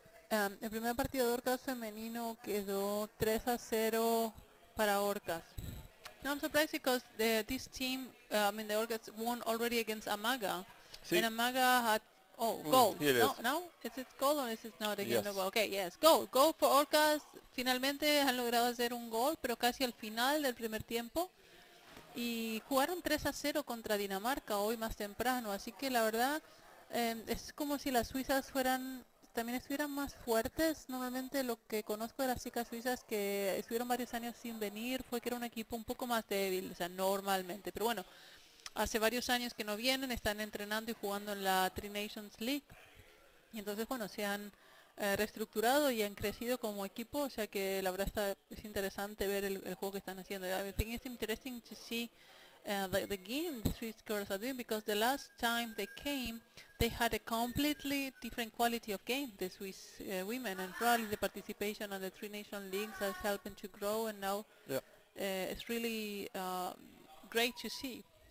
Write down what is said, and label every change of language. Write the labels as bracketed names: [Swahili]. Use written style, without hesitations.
[Spanish] El primer partido de Orcas femenino quedó 3-0 para Orcas. [English] No, I'm surprised because this team, the Orcas won already against Amaga. [Spanish] Sí. [English] And Amaga had, goal. Here it no, is. No? Is it goal or is it not again? Yes. Goal? Okay, yes. Goal. Goal for Orcas. [Spanish] Finalmente han logrado hacer un gol, pero casi al final del primer tiempo. Y jugaron 3-0 contra Dinamarca hoy más temprano. Así que la verdad, es como si las suizas fueran... también estuvieran más fuertes. Normalmente lo que conozco de las chicas suizas que estuvieron varios años sin venir fue que era un equipo un poco más débil, o sea, normalmente. Pero bueno, hace varios años que no vienen, están entrenando y jugando en la Tri Nations League. Y entonces, bueno, se han reestructurado y han crecido como equipo, o sea que la verdad es interesante ver el juego que están haciendo. [English] I think it's interesting to see the game the Swiss girls are doing, because the last time they came, they had a completely different quality of game, the Swiss women, and probably the participation on the Three Nation Leagues has helped them to grow, and now it's really great to see.